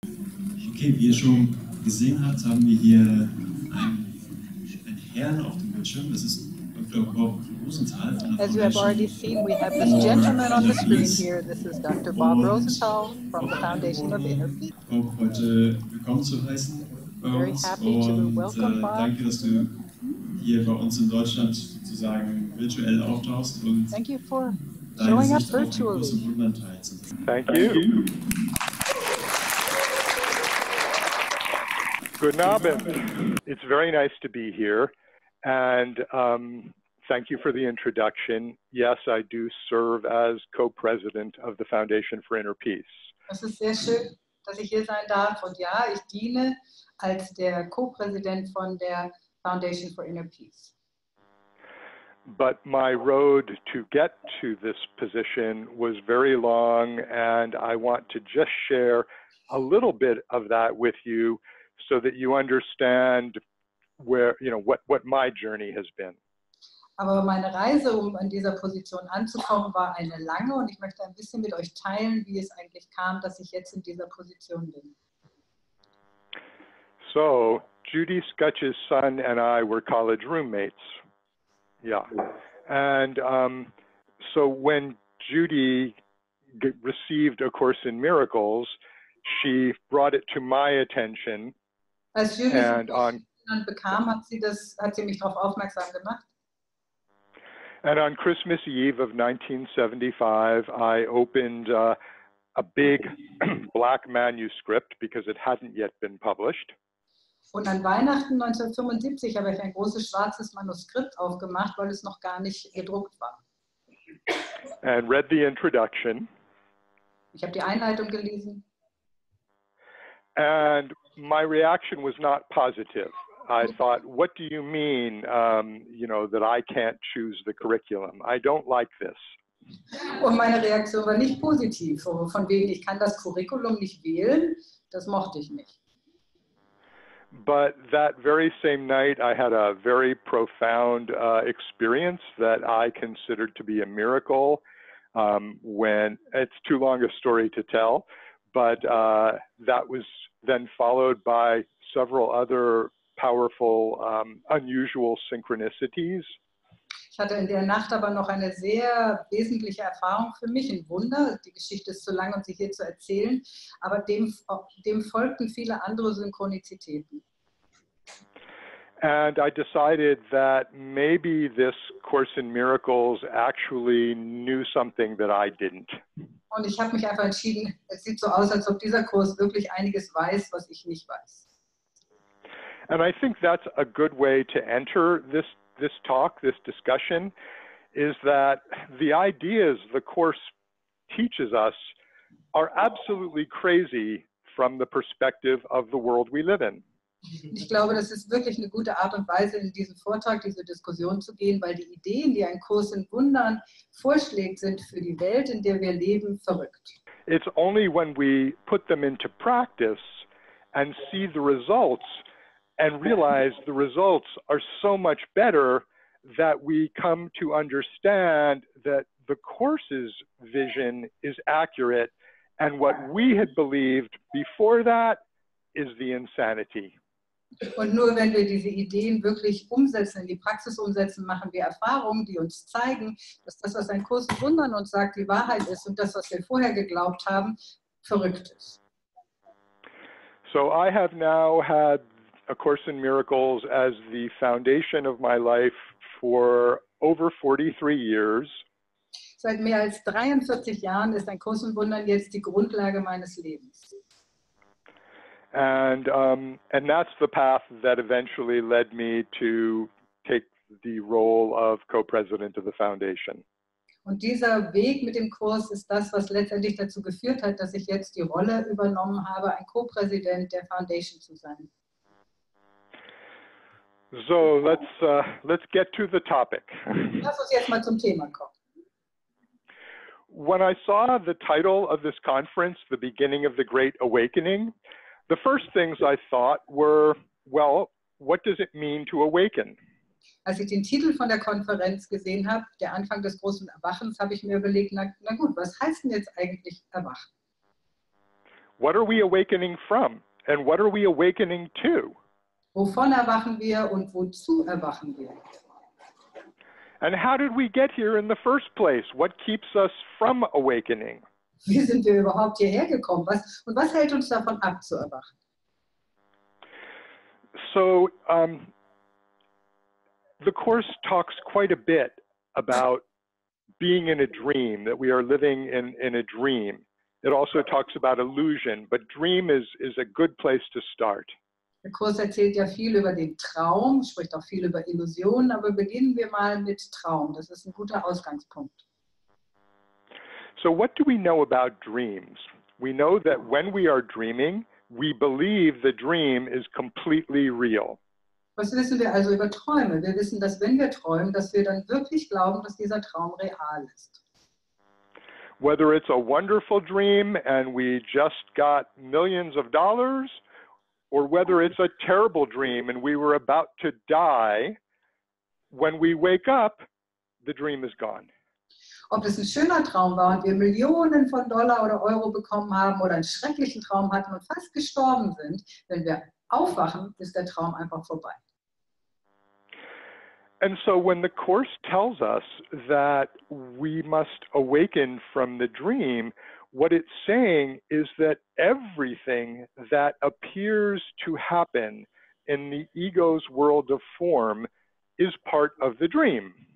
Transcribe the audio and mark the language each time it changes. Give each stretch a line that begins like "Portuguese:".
German: Okay, wie ihr schon gesehen habt, haben wir hier einen Herrn auf dem Bildschirm. Das ist Dr. Bob Rosenthal.
English: As you have already seen, we have this gentleman on the screen here. This is Dr. Bob Rosenthal from the Foundation of Inner Peace.
German: Bob, heute willkommen zu heißen bei uns.
English: Very happy to welcome Bob.
German: Danke, dass du hier bei uns in Deutschland sozusagen virtuell auftauchst. Und
English: thank you for showing up virtually.
German: Auf den großen
English: thank you.
German: Guten Abend.
English: It's very nice to be here, and thank you for the introduction. Yes, I do serve as co-president of the Foundation for Inner Peace.
German: Es ist sehr schön, dass ich hier sein darf, und ja, ich diene als der Co-Präsident von der Foundation for Inner Peace.
English: But my road to get to this position was very long, and I want to just share a little bit of that with you, so that you understand where, you know, what my journey has been.
German: Aber meine Reise, um an dieser Position anzukommen, war eine lange, und ich möchte ein bisschen mit euch teilen, wie es eigentlich kam, dass ich jetzt in dieser Position bin.
English: So, Judy Scutch's son and I were college roommates. Yeah. And so when Judy received A Course in Miracles, she brought it to my attention.
German: Als Judy bekam, hat sie mich darauf aufmerksam gemacht.
English: And on Christmas Eve of 1975, I opened a big black manuscript, because it hadn't yet been published.
German: Und an Weihnachten 1975 habe ich ein großes schwarzes Manuskript aufgemacht, weil es noch gar nicht gedruckt war.
English: And read the introduction.
German: Ich habe die Einleitung gelesen.
English: And my reaction was not positive. I thought, what do you mean, you know, that I can't choose the curriculum? I don't like this.
German: Und meine Reaktion war nicht positiv. Von wegen, ich kann das Curriculum nicht wählen, das mochte ich nicht.
English: But that very same night, I had a very profound experience that I considered to be a miracle. When it's too long a story to tell, but that was then followed by several other powerful, unusual synchronicities.
German: Ich hatte in der Nacht aber noch eine sehr wesentliche Erfahrung für mich, ein Wunder. Die Geschichte ist zu lang, um sie hier zu erzählen, aber dem folgten viele andere Synchronizitäten.
English: And I decided that maybe this Course in Miracles actually knew something that I didn't.
German: Und ich habe mich einfach entschieden, es sieht so aus, als ob dieser Kurs wirklich einiges weiß, was ich nicht weiß.
English: And I think that's a good way to enter this talk, this discussion, is that the ideas the course teaches us are absolutely crazy from the perspective of the world we live in.
German: Ich glaube, das ist wirklich eine gute Art und Weise, in diesen Vortrag, diese Diskussion zu gehen, weil die Ideen, die ein Kurs in Wundern vorschlägt, sind für die Welt, in der wir leben, verrückt.
English: It's only when we put them into practice and see the results and realize the results are so much better that we come to understand that the course's vision is accurate and what we had believed before that is the insanity.
German: Und nur wenn wir diese Ideen wirklich umsetzen, in die Praxis umsetzen, machen wir Erfahrungen, die uns zeigen, dass das, was ein Kurs in Wundern uns sagt, die Wahrheit ist und das, was wir vorher geglaubt haben, verrückt ist.
English: So I have now had A Course in Miracles as the foundation of my life for over 43 years.
German: Seit mehr als 43 Jahren ist ein Kurs in Wundern jetzt die Grundlage meines Lebens.
English: And that's the path that eventually led me to take the role of co-president of the foundation.
German: Und dieser Weg mit dem Kurs ist das, was letztendlich dazu geführt hat, dass ich jetzt die Rolle übernommen habe, ein Co-Präsident der Foundation zu sein.
English: So, let's get to the topic.
German: Lass uns jetzt mal zum Thema kommen.
English: When I saw the title of this conference, The Beginning of the Great Awakening, the first things I thought were, well, what does it mean to awaken?
German: Als ich den Titel von der Konferenz gesehen habe, der Anfang des großen Erwachens, habe ich mir überlegt, na gut, was heißt denn jetzt eigentlich Erwachen?
English: What are we awakening from? And what are we awakening to?
German: Wovon erwachen wir und wozu erwachen wir?
English: And how did we get here in the first place? What keeps us from awakening?
German: Wie sind wir überhaupt hierher gekommen? Was, und was hält uns davon ab, zu erwachen?
English: So, the course talks quite a bit about being in a dream, that we are living in a dream. It also talks about illusion, but dream is a good place to start.
German: Der Kurs erzählt ja viel über den Traum, spricht auch viel über Illusionen, aber beginnen wir mal mit Traum. Das ist ein guter Ausgangspunkt.
English: So what do we know about dreams? We know that when we are dreaming, we believe the dream is completely real.
German: Was wissen wir also über Träume? Wir wissen, dass wenn wir träumen, dass wir dann wirklich glauben, dass dieser Traum real ist.
English: Whether it's a wonderful dream and we just got millions of dollars, or whether it's a terrible dream and we were about to die, when we wake up, the dream is gone.
German: Ob es ein schöner Traum war und wir Millionen von Dollar oder Euro bekommen haben oder einen schrecklichen Traum hatten und fast gestorben sind, wenn wir aufwachen, ist der Traum einfach vorbei.
English: And so when the Course tells us that we must awaken from the dream, what it's saying is that everything that appears to happen in the ego's world of form is part of the dream.